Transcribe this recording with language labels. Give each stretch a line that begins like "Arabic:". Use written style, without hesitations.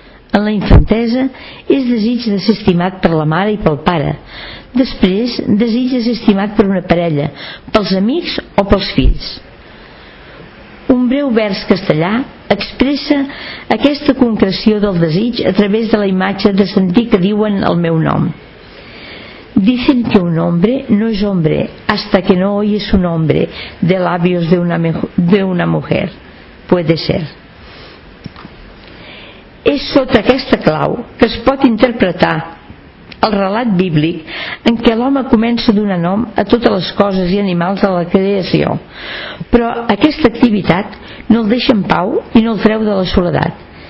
Catalan: En la infantesa és desig de ser estimat per la mare i pel pare, després desig de ser estimat per una parella, pels amics o pels fills. Un breu vers castellà expressa aquesta concreció del desig a través de la imatge de sentir que diuen el meu nom.
Spanish: Dicen que un hombre no es hombre hasta que no oye su nombre de labios de una mujer. Puede ser.
Catalan: És sota aquesta clau que es pot interpretar el relat bíblic en què l'home comença a donar nom a totes les coses i animals de la creació, però aquesta activitat no el deixa en pau i no el treu de la soledat.